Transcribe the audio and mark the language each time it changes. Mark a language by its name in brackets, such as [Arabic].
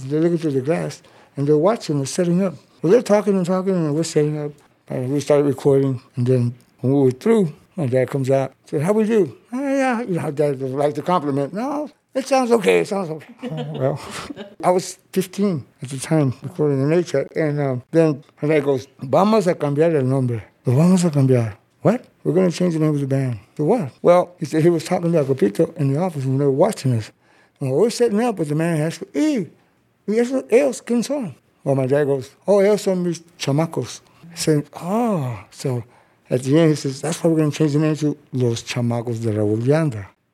[English] They're looking through the glass, and they're watching us setting up. Well, they're talking and talking, and we're setting up. And we started recording, and then when we were through, my dad comes out. Said, how we do? Yeah, you know, dad would like to compliment. No, it sounds okay. It sounds okay. Well, I was 15 at the time, recording the 8-track. And then my dad goes, [Spanish] vamos a cambiar el nombre. Vamos a cambiar. [English] What? We're going to change the name of the band. For what? Well, he said he was talking to Agapito in the office when they were watching us. And we were setting up, but the man asked, [Spanish] ¿y eso, ellos quién son? [English] Well, my dad goes, oh, [Spanish] ellos son mis chamacos. [English] I said, oh. So at the end, he says, that's why we're going to change the name to Los Chamacos de Raúl Yanda.